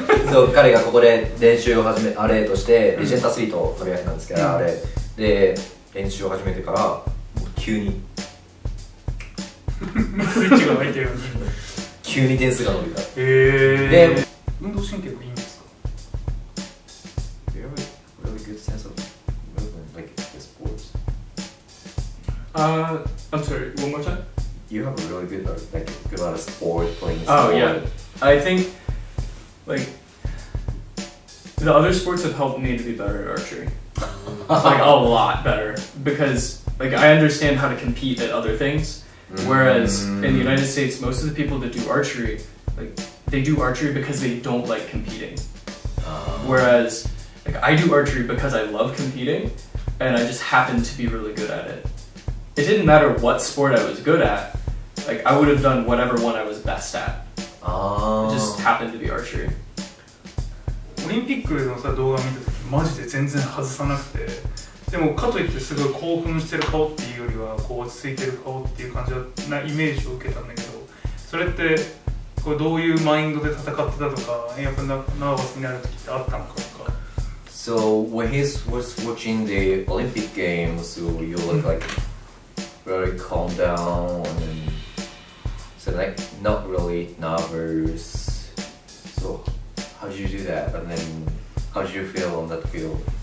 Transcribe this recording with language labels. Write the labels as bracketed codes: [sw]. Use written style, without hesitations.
[ja] So 彼がここで練習を始め、アレとして、レジェンドアスリートを取り上げたんですけど、あれ。で、練習を始めてから、もう急にスイッチが入ってる急に点数が伸びた。へぇー。で、運動神経がいいんですか？ [en] Do you have a really good sense of movement, like the sports? I'm sorry, one more time? You have a really good, like, good amount of sport playing sport. Oh, yeah. I think, like, the other sports have helped me to be better at archery. Like a lot better because like I understand how to compete at other things, whereas in the United States most of the people that do archery, like they do archery because they don't like competing. Whereas like I do archery because I love competing and I just happen to be really good at it. It didn't matter what sport I was good at, like I would have done whatever one I was best at. It just happened to be archery. [ja] Olympic のさ動画見た時マジで全然外さなくて、でもかといってすごい興奮してる顔っていうよりはこう落ち着いてる顔っていう感じなイメージを受けたんだけど、それってこれどういうマインドで戦ってたとか、やっぱナーバスになる時ってあったのかとか。 [en] So when he was watching the Olympic games, so you look like very calm down and so like not really nervous. So. How did you do that? And then, how did you feel on that field?